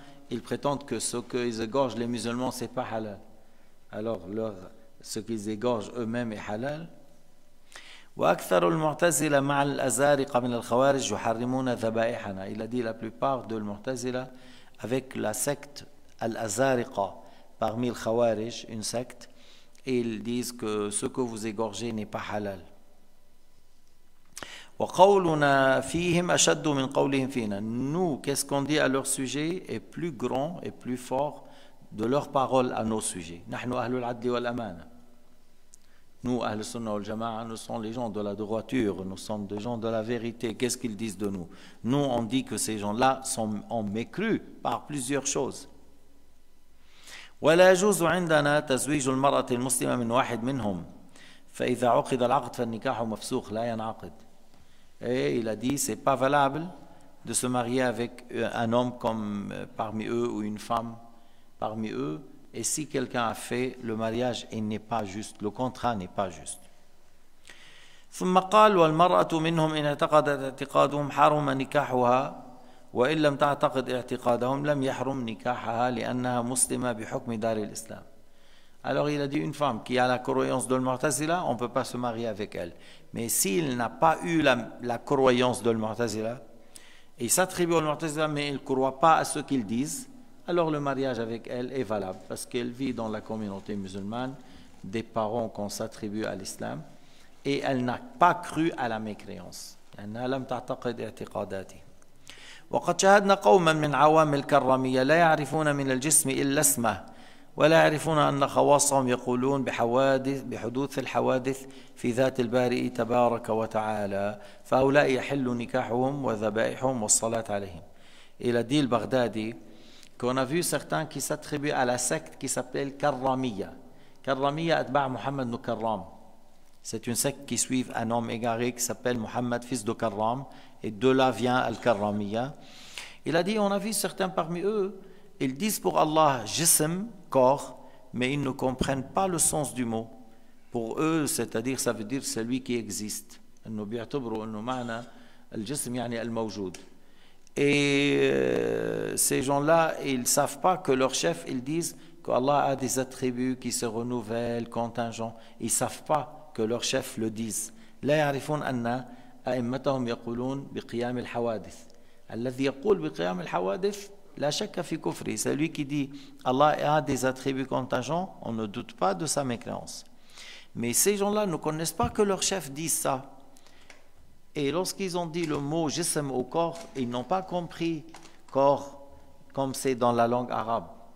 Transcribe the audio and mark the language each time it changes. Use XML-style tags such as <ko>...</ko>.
<fr>Ils prétendent que ce qu'ils égorgent les musulmans c'est pas halal. Alors ce qu'ils égorgent eux-mêmes est halal.</fr> <ar>وأكثر المعتزلة مع الأزارقة من الخوارج يحرمون ذبائحنا.</ar> <fr>Il a dit la plupart de المعتزلة avec la secte الأزارقة parmi les خوارج une secte ils disent que ce que vous égorgez n'est pas halal.</fr> <ar>وقولنا فيهم أشد من قولهم فينا.</ar> <fr>Nous qu'est-ce qu'on dit à leur sujet est plus grand et plus fort de leur parole à nos sujets.</fr> <ar>نحن أهل العدل والأمانة.</ar> <fr>Nous, Ahl Sunnah ou Jama'a, nous sommes les gens de la droiture, nous sommes des gens de la vérité. Qu'est-ce qu'ils disent de nous? Nous, on dit que ces gens-là sont en mécru par plusieurs choses.</fr> <ar>ولا يجوز عندنا تزويج المرأة المسلمة من واحد منهم فإذا عقد العقد فالنكاح مفسوخ لا ينعقد.</ar> <fr>Et il a dit, c'est pas valable de se marier avec un homme comme parmi eux ou une femme parmi eux. Et si quelqu'un a fait le mariage, il n'est pas juste, le contrat n'est pas juste.</fr> <ar>ثم قال والمرأة منهم إن اعتقدت اعتقادهم حرم نكاحها وإن لم تعتقد اعتقادهم لم يحرم نكاحها لأنها مسلمة بحكم دار الإسلام.</ar> <fr>Alors il a dit une femme qui a la croyance de l'Mu'tazila, on ne peut pas se marier avec elle. Mais s'il n'a pas eu la croyance de l'Mu'tazila, il s'attribue au Mu'tazila, mais il ne croit pas à ce qu'ils disent. Alors le mariage avec elle est valable parce qu'elle vit dans la communauté musulmane des parents qu'on s'attribue à l'islam et elle n'a pas cru à la mécréance. Elle n'a pas cru à la mécréance.</fr> <ar>وقد شاهدنا قوما من عوام الكرمية لا يعرفون من الجسم إلا اسمه ولا يعرفون أن خواصهم يقولون بحدوث الحوادث في ذات البارئ تبارك وتعالى فهؤلاء يحل نكاحهم وذبائحهم والصلاة عليهم.</ar> <fr>إلى ديل بغدادي qu'on a vu certains qui s'attribuent à la secte qui s'appelle Karramiyya. Karramiyya atba' Muhammad ibn Karram. C'est une secte qui suit un homme égaré qui s'appelle Muhammad, fils de Karram. Et de là vient Al-Karramiyya. Il a dit, on a vu certains parmi eux, ils disent pour Allah, jism, corps, mais ils ne comprennent pas le sens du mot. Pour eux, c'est-à-dire, ça veut dire celui qui existe. Nous</fr> <ar>bi'atubru anna ma'na al-jism yani al-mawjoud.</ar> <fr>Et ces gens-là, ils ne savent pas que leur chef, ils disent qu'Allah a des attributs qui se renouvellent, contingents. Ils ne savent pas que leur chef le dise.</fr> <ar>لا يعرفون أن أئمتهم يقولون بقيام الحوادث. الذي يقول بقيام الحوادث لا شك في كفره.</ar> <fr>Celui qui dit Allah a des attributs contingents, on ne doute pas de sa mécréance. Mais ces gens-là ne connaissent pas que leur chef dise ça. Et lorsqu'ils ont dit le mot jism au corps, ils n'ont pas compris corps comme c'est dans la langue arabe.</fr>